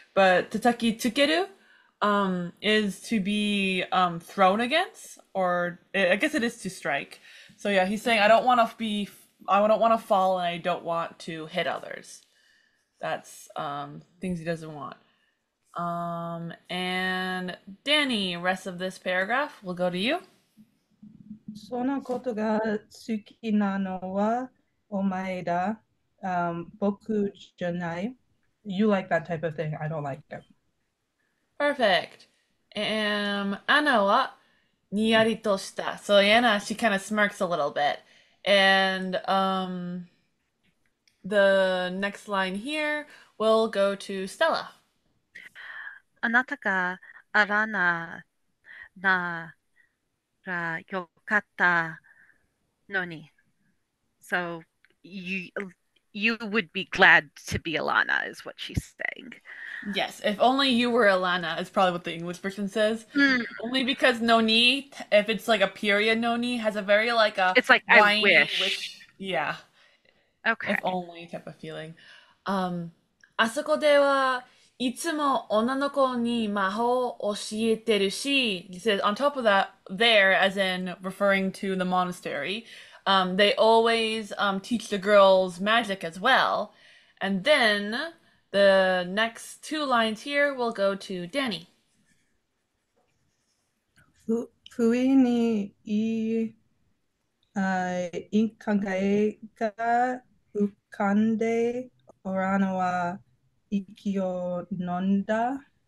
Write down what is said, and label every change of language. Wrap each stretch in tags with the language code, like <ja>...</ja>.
<en>But tataki tsukeru is to be thrown against, or I guess it is to strike. So yeah, he's saying I don't want to fall, and I don't want to hit others. That's things he doesn't want. And Danny, rest of this paragraph will go to you.</en> <ja>そのことが好きなのはお前だ。僕じゃない。</ja> <en>You like that type of thing. I don't like it. Perfect.</en> <ja>Anna wa にやりとした。</ja> <en>So Anna, she kind of smirks a little bit. And the next line here will go to Stella.</en> <ja>なたがアラナならよかったのに。</ja> <en>So you would be glad to be Alanna is what she's saying. Yes, if only you were Alanna, is probably what the English person says. Only because Noni, if it's like a period, Noni has a very like It's a like I whiny wish. wish, yeah, Okay. if only type of feeling.</en> <ja>あそこではいつも女の子に魔法を教えてるし、</ja> <en>he says, on top of that, there, as in referring to the monastery, they always teach the girls magic as well. And then the next two lines here will go to Danny.</en> <ja>ふいにいい、いい考えが浮かんで、オラノは息を飲んだ。</ja>